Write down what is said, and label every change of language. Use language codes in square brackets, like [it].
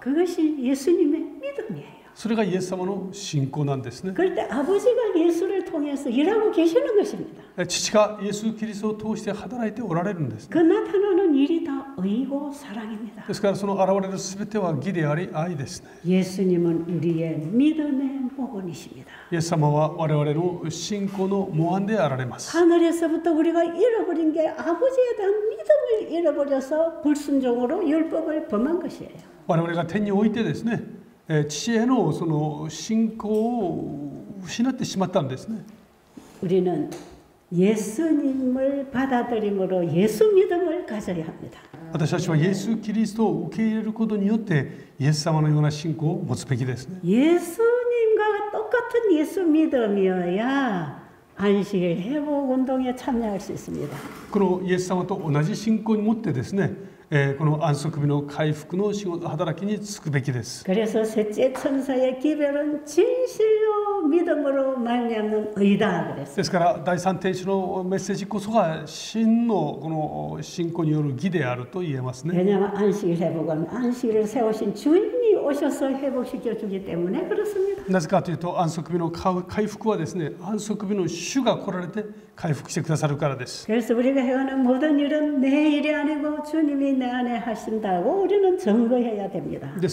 [ko] 그것이 예수님의 믿음이에요. [ja] それがイエス様の信仰なんですね。 [ko] 그때 아버지가 예수를 통해서 일하고 계시는 것입니다. [ja] 父が [ko] 예수 그리스도를 통해서 [ja] 働いておられるんです。 [ko] 그 나타나는 일이 다 의고 사랑입니다. [ja] ですからその現れる全ては義であり愛ですね。 [ko] 예수님은 우리의 믿음의 모본이십니다. [ja] 예수様は我々の信仰の模範であられます。 [ko] 하늘에서부터 우리가 잃어버린 게 아버지에 대한 믿음을 잃어버려서 불순종으로 율법을 범한 것이에요. [ja] 我々が 天においてですね。父へのその信仰を失ってしまったんですね。 [ko] 우리는 예수님을 받아들임으로 예수 믿음을 가져야 합니다. [ja] 私たちは 예수 그리스도를 受け入れることによって 예수様のような信仰を持つべきですね。 [ko] 예수님과 똑같은 예수 믿음이어야 안식일 회복 운동에 참여할 수 있습니다. [ja] この예수様と同じ信仰を持ってですね。この安息日の回復の仕事働きにつくべきです。 [ko] 그래서 셋째 천사의 기별은 진실로 믿음으로 말미암는 의다 그랬어요. [ja] ですから第三天使のメッセージこそが真のこの信仰による義であると言えますね。 [ko] 왜냐하면 안식일 회복은 안식일을 세우신 주님이 오셔서 회복시켜 주기 때문에 그렇습니다. [ja] なぜかというと安息日の回復はですね安息日の主が来られて回復してくださるからです。 [ko] 그래서 우리가 행하는 모든 일은 내 일이 아니고 주님이 내 안에 하신다고 우리는 증거해야 됩니다.